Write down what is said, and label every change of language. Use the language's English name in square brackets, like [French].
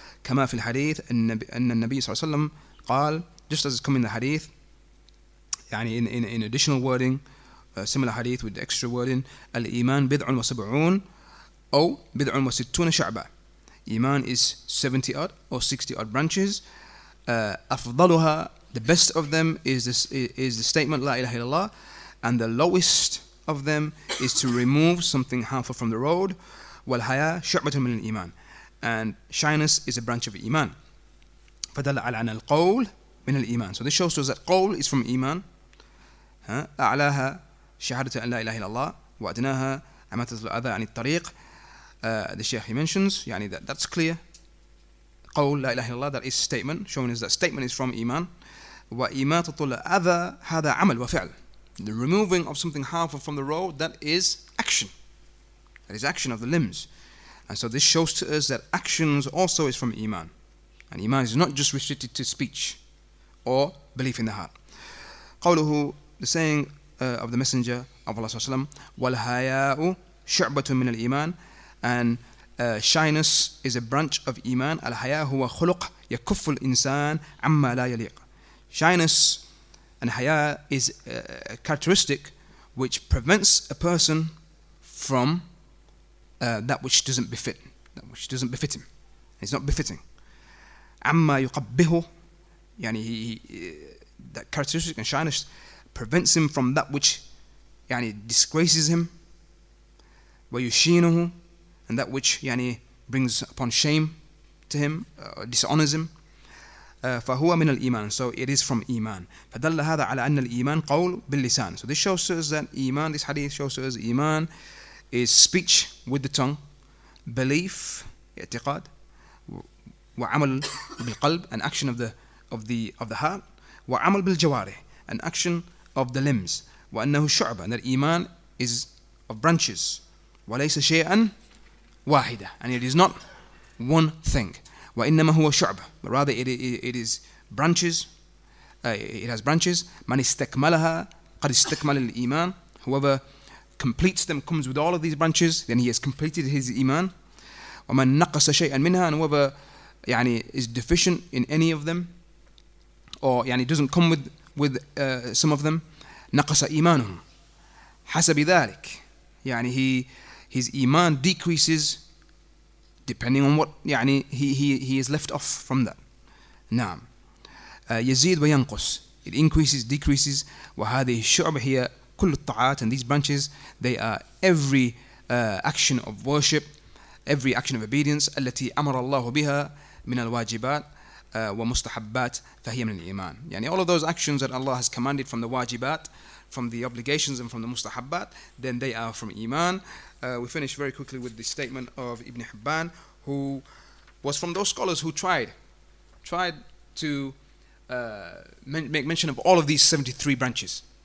[Arabic] كَمَا فِي الْحَدِيثِ أَنَّ النَّبِي صلى الله عليه وسلم قال, [English] just as it's come in the hadith, يعني in additional wording, similar hadith with extra wording, [Arabic] الإيمان بضع وسبعون أو بضع وستون شعبة. [English] إيمان is 70 odd or 60 odd branches. أفضلها, the best of them is the statement [Arabic] لا إله إلا الله. [English] And the lowest of them is to remove something harmful from the road. [Arabic] والحياة شعبة من الإيمان. [English] And shyness is a branch of إيمان. [Arabic] فدل على أن القول من الإيمان. [English] So this shows us that قول is from إيمان. [Arabic] أعلاها شهادة أن لا إله إلا الله وأدناها عمات الأذى عن الطريق. [English] The Sheikh, he mentions, يعني that's clear. [Arabic] قول لا إله إلا الله, [English] that is statement, showing us that statement is from إيمان. [Arabic] وإمات الأذى هذا عمل وفعل. [English] The removing of something harmful from the road, that is action. That is action of the limbs. And so this shows to us that actions also is from إيمان. And إيمان is not just restricted to speech or belief in the heart. قوله, the saying of the Messenger of Allah صلى الله عليه وسلم, [Arabic] والحياء شعبة من الإيمان, [English] and shyness is a branch of إيمان. [Arabic] الحياء هو خلق يكف الإنسان عما لا يليق. [English] Shyness and حياء is a characteristic which prevents a person from that which doesn't befit, that which doesn't befit him. It's not befitting. [Arabic] عما يقبه, [English] يعني that characteristic and shyness prevents him from that which يعني disgraces him. ويشينه, and that which يعني brings upon shame to him, dishonors him. [Arabic] فهو من الإيمان, [English] so it is from إيمان. [Arabic] فدل هذا على أن الإيمان قول باللسان. [English] So this shows us that إيمان, this hadith shows us إيمان is speech with the tongue, belief, اعتقاد, [Arabic] وعمل بالقلب, [English] an action of the heart, [Arabic] وعمل بالجوارح, [English] an action of the limbs. [Arabic] وأنه شعبة, [English] and that إيمان is of branches. [Arabic] وليس شيئا واحدة, [English] and it is not one thing. [Arabic] وإنما هو شعبة, [English] but rather it is branches. It has branches. [Arabic] من استكملها قد استكمل الإيمان. [English] Whoever completes them, comes with all of these branches, then he has completed his إيمان. [Arabic] ومن نقص شيئا منها, [English] and whoever يعني is deficient in any of them, or يعني doesn't come with some of them, [Arabic] نقص إيمانه. حسب ذلك, [English] يعني his إيمان decreases depending on what يعني he is left off from that. نعم. [Arabic] يزيد وينقص. [English] It increases, decreases. [Arabic] وهذه الشعب هي كل الطاعات, [English] and these branches, they are every action of worship, every action of obedience, [Arabic] التي أمر الله بها من الواجبات ومستحبات فهي من الإيمان. [English] يعني all of those actions that Allah has commanded from the wajibat, from the obligations and from the mustahabbat, then they are from إيمان. We finish very quickly with the statement of Ibn Hibban, who was from those scholars who tried to make mention of all of these 73 branches.